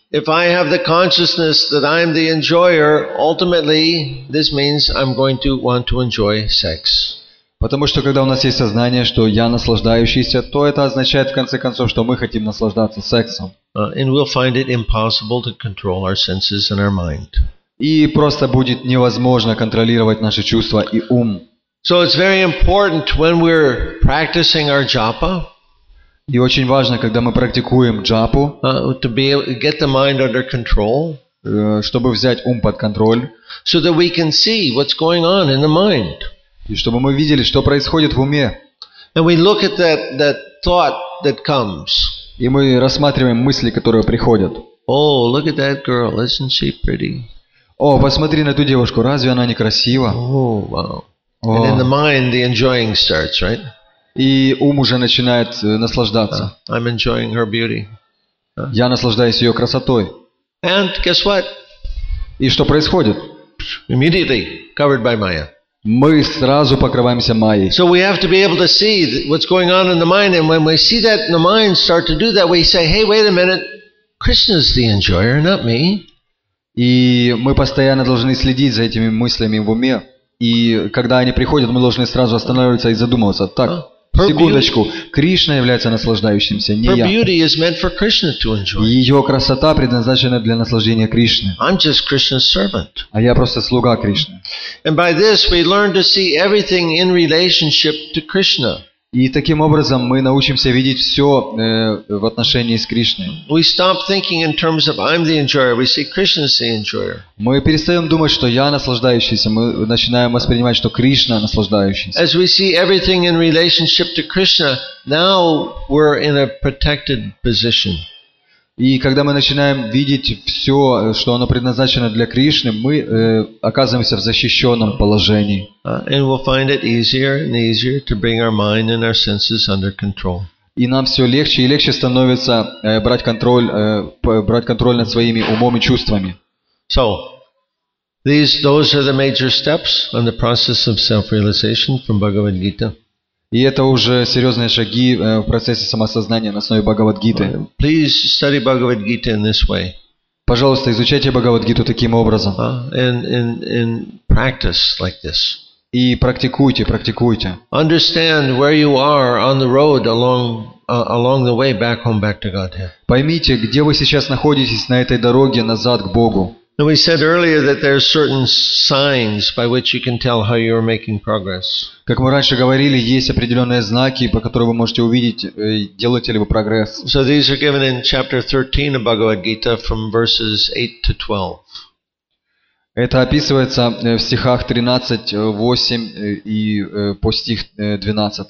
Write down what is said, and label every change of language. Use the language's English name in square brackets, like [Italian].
[English] If I have the consciousness that I am the enjoyer, ultimately, this means I'm going to want to enjoy sex. [Russian] Потому что, когда у нас есть сознание, что я наслаждающийся, то это означает, в конце концов, что мы хотим наслаждаться сексом. [English] And we'll find it impossible to control our senses and our mind. [Russian] И просто будет невозможно контролировать наши чувства и ум. [English] So it's very important when we're practicing our japa. [Russian] И очень важно, когда мы практикуем джапу, [English] get the mind under control, [Russian] чтобы взять ум под контроль, [English] so that we can see what's going on in the mind. [Russian] И чтобы мы видели, что происходит в уме. [English] And we look at that thought that comes. [Russian] И мы рассматриваем мысли, которые приходят. [English] Oh, look at that girl, isn't she pretty? [Russian] О, посмотри на ту девушку, разве она не красива? [English] Oh, wow. And in the mind, the enjoying starts, right? [Russian] И ум уже начинает наслаждаться. [English] I'm enjoying her beauty. [Russian] Я наслаждаюсь ее красотой. [English] And guess what? [Russian] И что происходит? [English] Immediately covered by Maya. [Russian] Мы сразу покрываемся Майей. [English] So we have to be able to see what's going on in the mind, and when we see that in the mind start to do that, we say, "Hey, wait a minute, Krishna's the enjoyer, not me." [Russian] И мы постоянно должны следить за этими мыслями в уме. И когда они приходят, мы должны сразу останавливаться и задумываться. Так, секундочку. Кришна является наслаждающимся, не я. [English] Her beauty is meant for Krishna to enjoy. [Russian] Ее красота предназначена для наслаждения Кришны. [English] I'm just Krishna's servant. [Russian] А я просто слуга Кришны. [English] And by this we learn to see everything in relationship to Krishna. [Russian] И таким образом мы научимся видеть все в отношении с Кришной. [English] We stop thinking in terms of I'm the enjoyer. We see Krishna as the enjoyer. [Russian] Мы перестаем думать, что я наслаждающийся. Мы начинаем воспринимать, что Кришна наслаждающийся. [English] As we see everything in relationship to Krishna, now we're in a protected position. [Russian] И когда мы начинаем видеть все, что оно предназначено для Кришны, мы оказываемся в защищенном положении. [English] And we'll find it easier and easier to bring our mind and our senses under control. [Russian] И нам все легче и легче становится брать контроль над своими умом и чувствами. [English] So, those are the major steps on the process of self-realization from Bhagavad Gita. [Russian] И это уже серьезные шаги в процессе самосознания на основе Бхагавад-гиты. [English] Please study Bhagavad-гиту in this way. [Russian] Пожалуйста, изучайте Бхагавад-гиту таким образом. [English] And practice like this. [Russian] И практикуйте. [English] Understand where you are on the road along the way back home, back to Godhead. [Russian] Поймите, где вы сейчас находитесь на этой дороге назад к Богу. [English] And we said earlier that there are certain signs by which you can tell how you are making progress. [Russian] Как мы раньше говорили, есть определенные знаки, по которым вы можете увидеть, делаете ли вы прогресс. [English] So these are given in chapter 13 of Bhagavad Gita from verses 8 to 12. [Russian] Это описывается в стихах 13, 8 и по стих 12.